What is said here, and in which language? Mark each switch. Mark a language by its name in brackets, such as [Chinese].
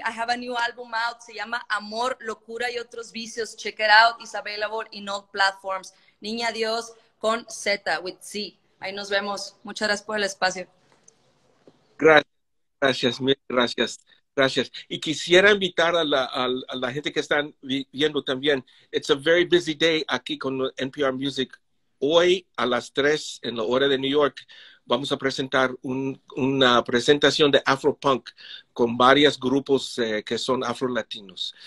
[English] I have a new album out. [Spanish] Se llama [English] Amor, Locura y Otros Vicios. Check it out. It's available in all platforms. Niña Dios con Z, with Z. [Spanish] Ahí nos vemos. Muchas gracias por el espacio. Gracias, gracias, mil gracias, gracias. Y quisiera invitar a la gente que están viendo también. [English] It's a very busy day aquí con NPR Music. [Spanish] Hoy a las 3 en la hora de New York vamos a presentar una presentación de Afropunk con varios grupos que son afrolatinos.